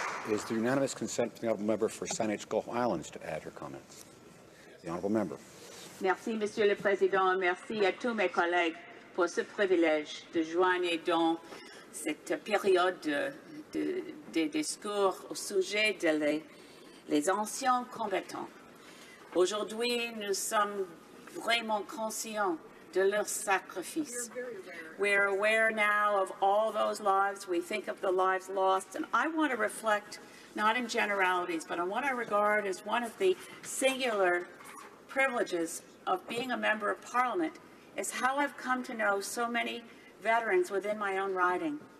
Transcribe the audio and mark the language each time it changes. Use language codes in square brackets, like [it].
[en] Is the unanimous consent from the Honourable Member for Saanich Gulf Islands to add her comments? The Honourable Member. [fr] Merci, Monsieur le Président. Merci à tous mes collègues pour ce privilège de joindre dans cette période de discours au sujet des anciens combattants. Aujourd'hui, nous sommes vraiment conscients de leur sacrifice. [en] We are aware now of all those lives. We think of the lives lost. And I want to reflect, not in generalities, but on what I regard as one of the singular privileges of being a member of Parliament, is how I've come to know so many veterans within my own riding.